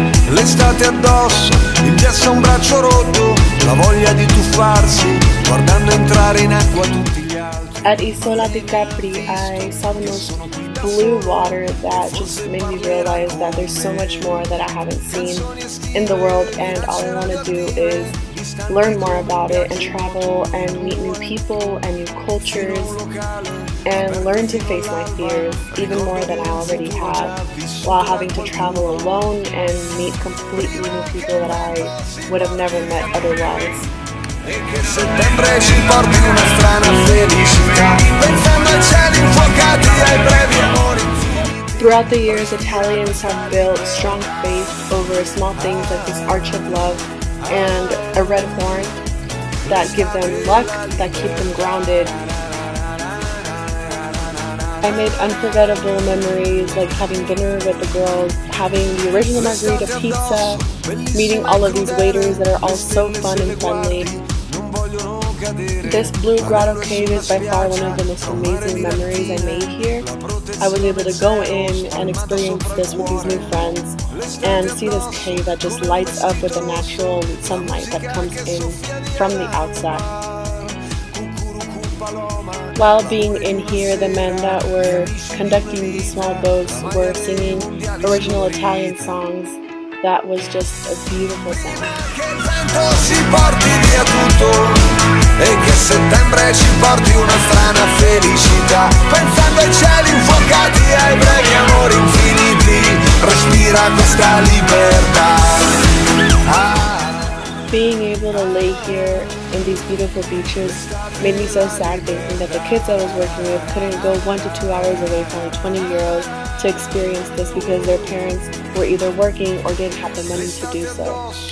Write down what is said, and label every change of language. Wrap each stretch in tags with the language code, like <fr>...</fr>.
<it>L'estate addosso, il ghiaccio a un braccio rotto, la voglia di tuffarsi, guardando entrare in acqua tutti gli altri.</it> <en>At Isola di Capri, I saw the most blue water that just made me realize that there's so much more that I haven't seen in the world, and all I want to do is learn more about it and travel and meet new people and new cultures and learn to face my fears even more than I already have while having to travel alone and meet completely new people that I would have never met otherwise.</en> <it>Settembre ci porti in una strana felicità, pensando ai cieli infuocati, ai brevi amori.</it> <en>Throughout the years, Italians have built strong faith over small things like this arch of love and a red horn that give them luck, that keep them grounded. I made unforgettable memories like having dinner with the girls, having the original margarita pizza, meeting all of these waiters that are all so fun and friendly. This blue grotto cave is by far one of the most amazing memories I made here. I was able to go in and experience this with these new friends and see this cave that just lights up with the natural sunlight that comes in from the outside. While being in here, the men that were conducting these small boats were singing original Italian songs. That was just a beautiful sound.</en> <it>e che settembre ci porti una strana felicità. Pensando ai cieli infuocati, ai brevi amori infiniti, respira questa libertà.</it> <en>Being able to lay here in these beautiful beaches made me so sad, thinking that the kids I was working with couldn't go 1 to 2 hours away from a 20-year-old to experience this because their parents were either working or didn't have the money to do so.</en>